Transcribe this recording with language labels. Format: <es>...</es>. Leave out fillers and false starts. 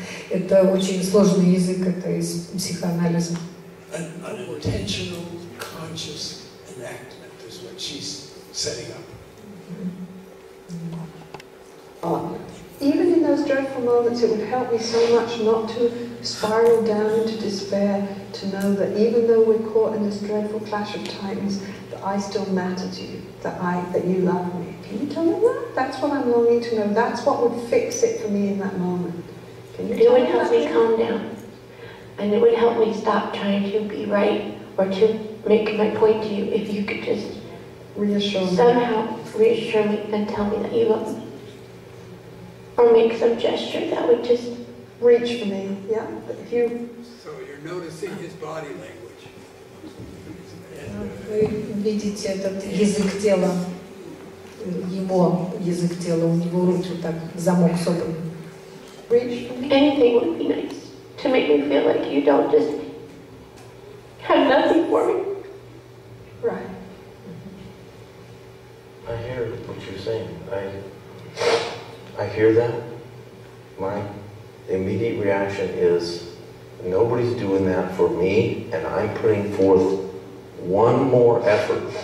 <ru>Это очень сложный язык, это из психоанализа.</ru> <en>Unintentional conscious enactment is what she's setting up. Even in those dreadful moments, it would help me so much not to spiral down into despair, to know that even though we're caught in this dreadful clash of titans, that I still matter to you, that you love me. Can you tell me that? That's what I'm longing to know. That's what would fix it for me in that moment. Can you tell me that? It would help me calm down. And it would help me stop trying to be right or to make my point to you if you could just reassure me. Somehow reassure me and tell me that you love me. Or make some gesture that would just reach for me. Yeah, but if you... So you're noticing his body language.</en> <ru>Вы видите этот язык тела, его язык тела, у него руки так замок собран.</ru> <en>Reach for me. Anything would be nice to make me feel like you don't just have nothing for me. Right. I hear what you're saying. I hear that. My immediate reaction is, nobody's doing that for me, and I'm putting forth one more effort.</en>